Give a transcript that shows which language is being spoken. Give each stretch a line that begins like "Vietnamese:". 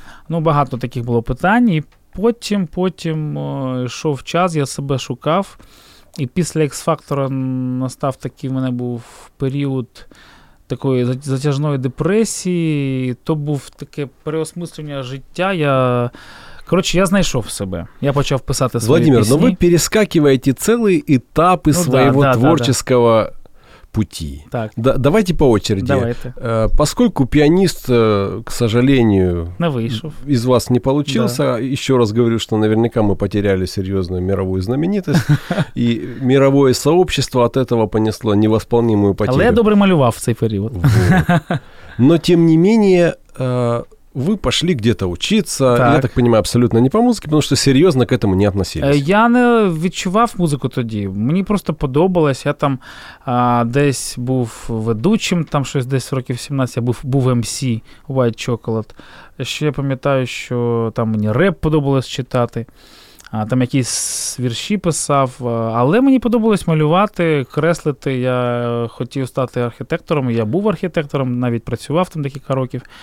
Ukrainian: Ну, багато таких було питань, і потім йшов час, я себе шукав, і після X-Factor'а настав такий, в мене був період такої затяжної депресії, то був таке переосмислення життя, я знайшов себе, я почав писати свої
Russian: Владимир,
Ukrainian: пісні. Владимир, ну ви перескакуєте цілий етап своєго творчого
Russian: пути.
Ukrainian: Так.
Russian: Давайте по очереди. Давайте. Поскольку пианист, к сожалению, из вас не получился, да. Еще раз говорю, что наверняка мы потеряли серьезную мировую знаменитость, и мировое сообщество от этого понесло невосполнимую потерю.
Ukrainian: Але я добре малював в цей період.
Russian: Но, тем не менее, вы пошли где-то учиться,
Ukrainian: так.
Russian: Я так понимаю, абсолютно не по музыке, потому что серьезно к этому не относились.
Ukrainian: Я не відчував музыку тоді, мені просто подобалось, я там десь був ведучим, там щось десь років 17, я був MC White Chocolate. Ще я пам'ятаю, що там мені реп подобалось читати, там якісь вірші писав, але мені подобалось малювати, креслити, я хотів стати архітектором, я був архітектором, навіть працював там декілька років.